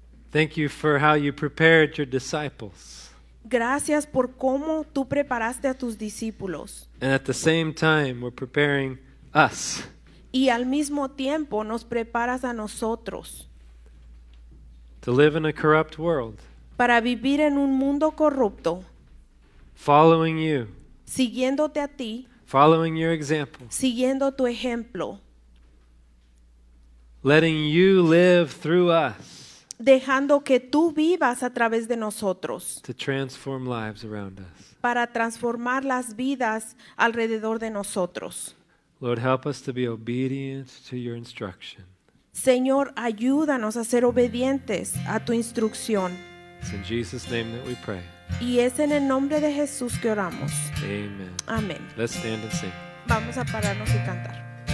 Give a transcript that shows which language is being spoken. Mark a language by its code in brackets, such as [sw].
[en] Thank you for how you prepared your disciples. [es] Gracias por cómo tú preparaste a tus discípulos. [en] And at the same time, we're preparing us. [es] Y al mismo tiempo nos preparas a nosotros. [en] To live in a corrupt world. [es] Para vivir en un mundo corrupto. [en] Following you. [es] Siguiéndote a ti. [en] Following your example. [es] Siguiendo tu ejemplo. [en] Letting you live through us. [es] Dejando que tú vivas a través de nosotros. [en] To transform lives around us. [es] Para transformar las vidas alrededor de nosotros. [en] Lord, help us to be obedient to your instruction. [es] Señor, ayúdanos a ser obedientes a tu instrucción. [en] It's in Jesus' name that we pray. [es] Y es en el nombre de Jesús que oramos. [en] Amen. [es] Amén. [en] Let's stand and sing. [es] Vamos a pararnos y cantar.